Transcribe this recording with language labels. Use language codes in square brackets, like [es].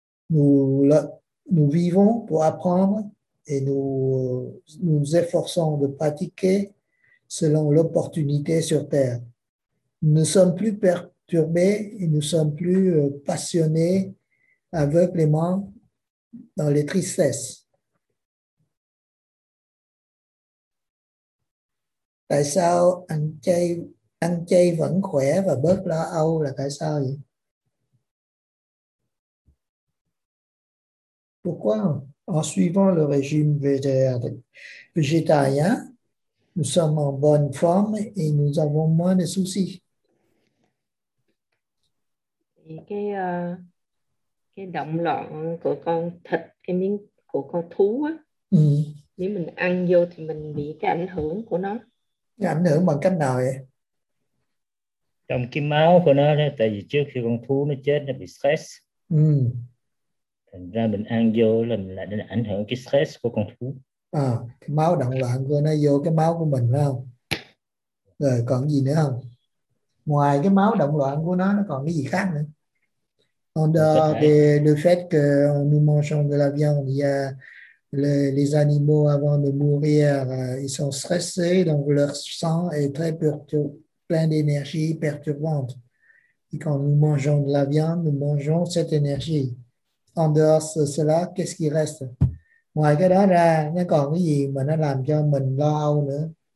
[fr] Nous vivons pour apprendre et nous efforçons de pratiquer selon l'opportunité sur Terre. Nous ne sommes plus perturbés et nous sommes plus passionnés aveuglément dans les tristesses. [vi] Tại sao ăn chay vẫn khỏe và bớt lo âu là tại sao vậy? [fr] Pourquoi? En suivant le régime végétarien, nous sommes en bonne forme et nous avons moins de soucis. [vi] Cái động loạn của con thịt, cái miếng của con thú á, nếu mình ăn vô thì mình bị cái ảnh hưởng của nó. Cái ảnh hưởng bằng cách nào vậy? Trong cái máu của nó, tại vì trước khi con thú nó chết nó bị stress. Thành ra mình ăn vô là mình lại ảnh hưởng cái stress của con thú. À, cái máu động loạn của nó vô cái máu của mình phải không? Rồi còn gì nữa không? Ngoài cái máu động loạn của nó còn cái gì khác nữa? [fr] En dehors de, le fait que nous mangeons de la viande, il y a les animaux avant de mourir, ils sont stressés, donc leur sang est très plein d'énergie perturbante. Et quand nous mangeons de la viande, nous mangeons cette énergie. En dehors de cela, qu'est-ce qui reste? [vi] Ngoài cái đó ra, nó còn cái gì mà nó làm cho mình lo âu nữa?